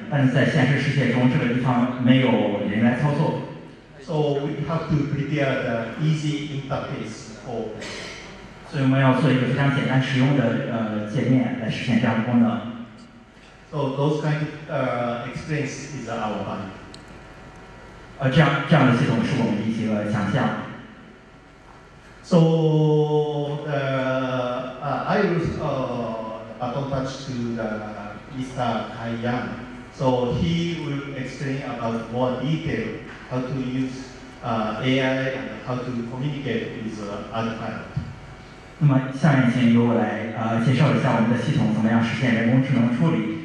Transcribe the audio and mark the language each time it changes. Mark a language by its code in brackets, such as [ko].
[zh] 那么这样的演示对于无人机来说是很简单的，但是在现实世界中这个地方没有人来操作。 [en] So we have to prepare the easy interface for. [zh] 所以我们要做一个非常简单实用的界面来实现这样的功能。 [en] So those kind of experience is our value. [zh] 这样的系统是我们的一个想象。 [en] So I will add on touch to Mr. Kai Yang. So he will explain about more detail how to use AI and how to communicate with other pilot. [zh] 那么下面请由我来介绍一下我们的系统怎么样实现人工智能处理。